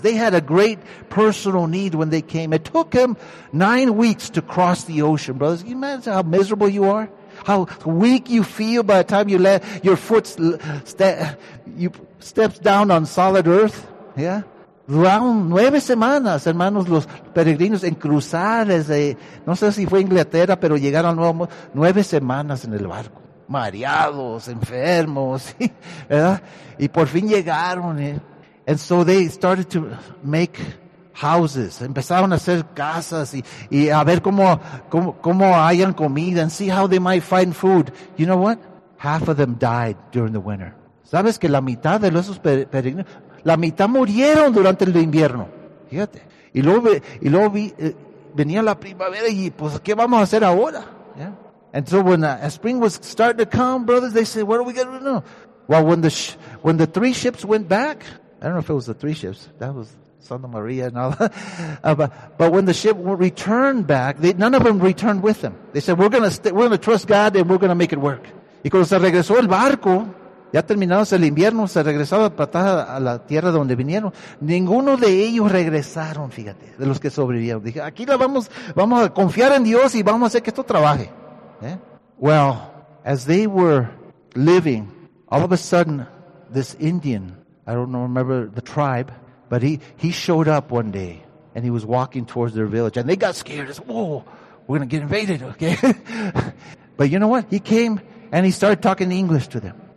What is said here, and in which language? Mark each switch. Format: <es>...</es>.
<en>They had a great personal need when they came. It took them 9 weeks to cross the ocean, brothers. Can you imagine how miserable you are? How weak you feel by the time you let your foot steps down on solid earth? Yeah?</en> <es>Durante 9 semanas, hermanos, los peregrinos en cruzar desde, no sé si fue Inglaterra, pero llegaron al Nuevo Mundo, 9 semanas en el barco. Mareados, enfermos, ¿verdad? Y por fin llegaron. ¿Eh?</es> <en>And so they started to make houses.</en> <es>Empezaron a hacer casas y a ver cómo hayan comida</es> <en>and see how they might find food. You know what? Half of them died during the winter.</en> <es>¿Sabes que la mitad de esos peregrinos, la mitad murieron durante el invierno? Fíjate. Y luego venía la primavera y pues, ¿qué vamos a hacer ahora?</es> <en>Yeah. And so when the spring was starting to come, brothers, they said, what are we going to do? Well, when the three ships went back, I don't know if it was the three ships, that was Santa Maria and all that. But when the ship returned back, none of them returned with them. They said, we're going to trust God and we're going to make it work.</en> <es>Y cuando se regresó el barco, ya terminado el invierno, se regresaba para a la tierra donde vinieron. Ninguno de ellos regresaron, fíjate, de los que sobrevivieron. Dije, aquí la vamos a confiar en Dios y vamos a hacer que esto trabaje.</es> <en>Yeah. Well, as they were living, all of a sudden, this Indian, I don't remember the tribe, but he showed up one day, and he was walking towards their village, and they got scared. It's, whoa, we're going to get invaded, okay? But you know what? He came, and he started talking English to them.</en>